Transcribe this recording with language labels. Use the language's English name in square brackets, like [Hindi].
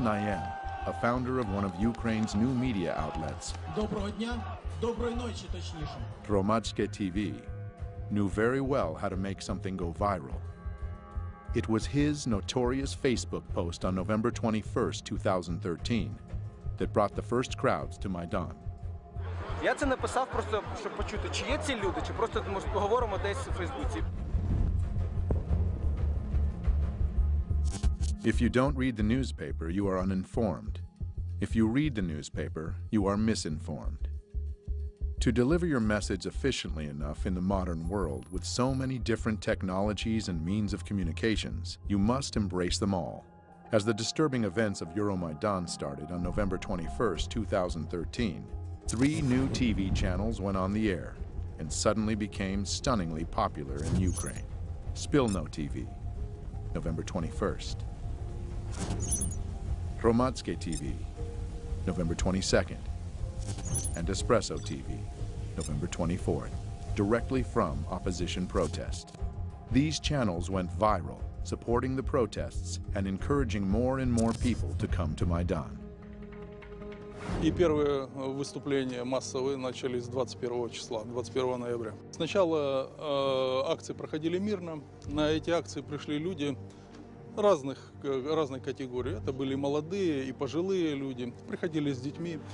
[English] Nayem, a founder of one of Ukraine's new media outlets, Romatske TV, knew very well how to make something go viral. It was his notorious Facebook post on November 21st, 2013, that brought the first crowds to Maidan. [Ukrainian] Я це написав просто, щоб почути, чи є ці люди, чи просто ми поговоримо десь у Фейсбуці. [English] If you don't read the newspaper, you are uninformed. If you read the newspaper, you are misinformed. To deliver your message efficiently enough in the modern world with so many different technologies and means of communications, you must embrace them all. As the disturbing events of Euromaidan started on November 21st, 2013, three new TV channels went on the air and suddenly became stunningly popular in Ukraine. Spilno TV, November 21st. Romatske TV, November 22nd. And Espresso TV, November 24th, directly from opposition protest. These channels went viral, supporting the protests and encouraging more and more people to come to Maidan. [Russian] И первые выступления массовые начались 21 числа, 21 ноября. Сначала акции проходили мирно. На эти акции пришли люди, разной категории. Это были молодые и пожилые люди, приходили с детьми.